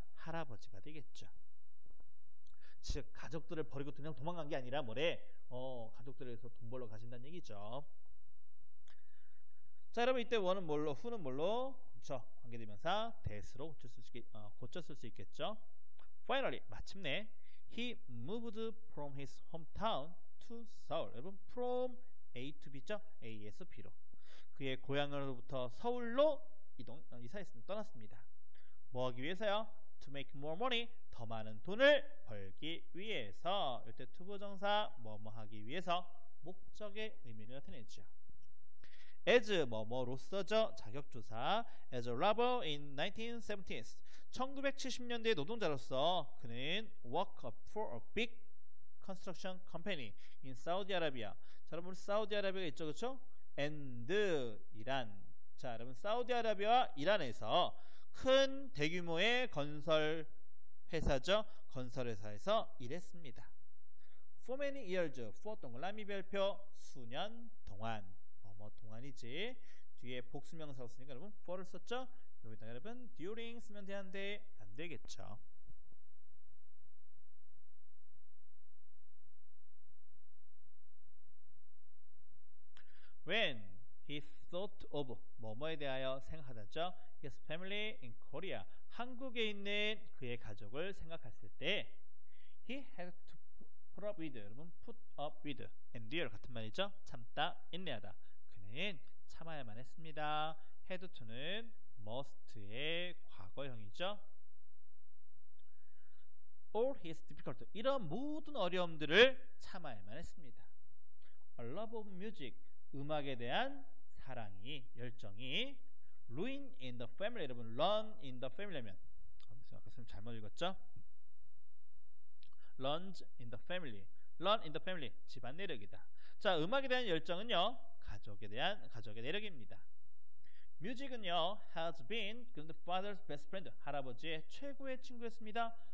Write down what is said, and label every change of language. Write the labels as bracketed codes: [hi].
[ko] 할아버지가 되겠죠. 즉 가족들을 버리고 그냥 도망간 게 아니라 뭐래 가족들에서 돈 벌러 가신다는 얘기죠. 자 여러분 이때 원은 뭘로 후는 뭘로 저 관계대명사 that로 고쳤을 수 있겠죠. [en] Finally [ko] 마침내 [en] he moved from his hometown to Seoul. [ko] 여러분 [en] from A to B [ko] 죠. A에서 B로 그의 고향으로부터 서울로 이사했습니다. 떠났습니다. 뭐 하기 위해서요? [en] To make more money, [ko] 더 많은 돈을 벌기 위해서 이때 투부정사 뭐뭐 하기 위해서 목적의 의미를 나타내죠. As 뭐뭐로서죠. 자격조사 [en] As a laborer in 1970s [ko] 1970년대 노동자로서 그는 [en] work for a big construction company in Saudi Arabia. [ko] 자, 여러분 사우디 아라비아가 있죠. 그렇죠? And 이란 자 여러분 사우디 아라비아와 이란에서 큰 대규모의 건설 회사죠. 건설 회사에서 일했습니다. [en] For many years, [ko] for 동그라미 별표 수년 동안 뭐 동안이지 뒤에 복수명사 없으니까 여러분 for를 썼죠. 여기다 여러분 during 쓰면 되는데 안 되겠죠. 왜? [en] He thought of [ko] 뭐뭐에 대하여 생각하다죠. [en] His family in Korea. [ko] 한국에 있는 그의 가족을 생각했을 때 [en] He had to put up with [ko] 여러분 [en] put up with endure [ko] 같은 말이죠. 참다, 인내하다. 그는 참아야만 했습니다. had to는 must의 과거형이죠. [en] All his difficulty, [ko] 이런 모든 어려움들을 참아야만 했습니다. [en] A love of music, [ko] 음악에 대한 사랑이, 열정이 [en] ruin in the family, 여러분 run in the family [ko] 하면 아까 선생님 잘못 읽었죠? [en] Runs in the family. Run in the family. [ko] 집안 내력이다. 자, 음악에 대한 열정은요, 가족에 대한 내력입니다. [en] Music은요, has been grandfather's best friend. [ko] 할아버지의 최고의 친구였습니다.